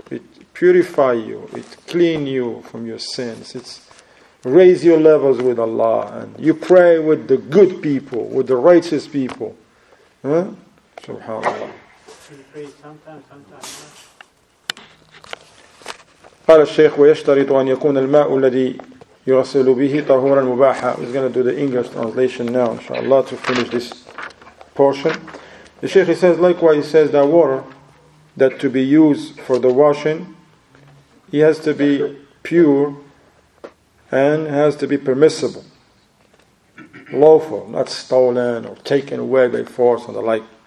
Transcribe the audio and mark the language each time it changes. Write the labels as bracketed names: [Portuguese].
[English] It purify you, it clean you from your sins, it's raise your levels with Allah, and you pray with the good people, with the righteous people. Huh? Subhanallah. You pray sometimes, sometimes. [Arabic] قال الشيخ ويشترط أن يكون الماء الذي يغسل به طهورا مباحا. [English] He's gonna do the English translation now, inshallah, to finish this portion. The Shaykh, he says, likewise, he says that water that to be used for the washing, he has to be pure and has to be permissible, lawful, not stolen or taken away by force and the like.